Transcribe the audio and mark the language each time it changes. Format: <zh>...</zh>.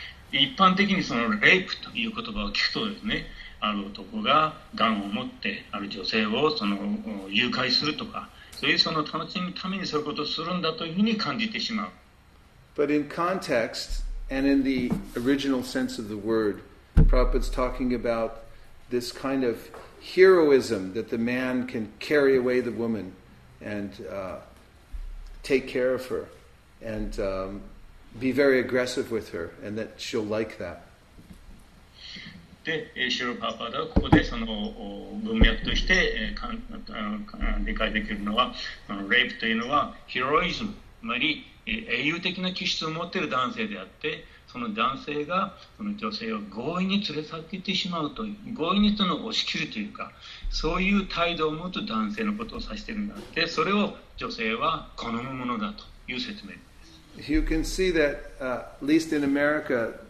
<ja>一般的にそのレイプという言葉を聞くとですね。ある男がガンを持ってある女性をその誘拐するとか、そういうその楽しみためにそういうことをするんだというふうに感じてしまう。</ja> <en>But in context and in the original sense of the word, Prabhupada's talking about this kind of heroism that the man can carry away the woman and take care of her and be very aggressive with her and that she'll like that.</en> <ja>でシュラル・プラパダはここでその文脈として理解できるのはレイプというのはヒロイズムつまり英雄的な気質を持っている男性であってその男性がその女性を強引に連れ去っていってしまうという強引にその押し切るというかそういう態度を持つ男性のことを指しているんだってそれを女性は好むものだという説明です</ja> <en>You can see that at least in America</en>